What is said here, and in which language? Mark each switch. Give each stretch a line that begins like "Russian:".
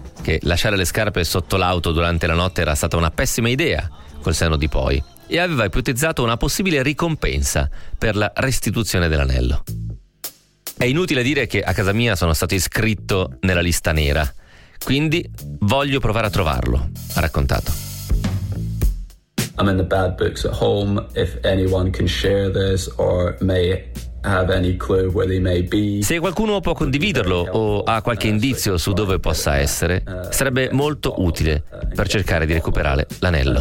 Italian: che lasciare le scarpe sotto l'auto durante la notte era stata una pessima idea, col senno di poi, e aveva ipotizzato una possibile ricompensa per la restituzione dell'anello. È inutile dire che a casa mia sono stato iscritto nella lista nera, quindi voglio provare a trovarlo, ha raccontato.
English: I'm in the bad books at home, if anyone can share this or may have any clue where they may be.
Italian: Se qualcuno può condividerlo o ha qualche indizio su dove possa essere, sarebbe molto utile per cercare di recuperare l'anello.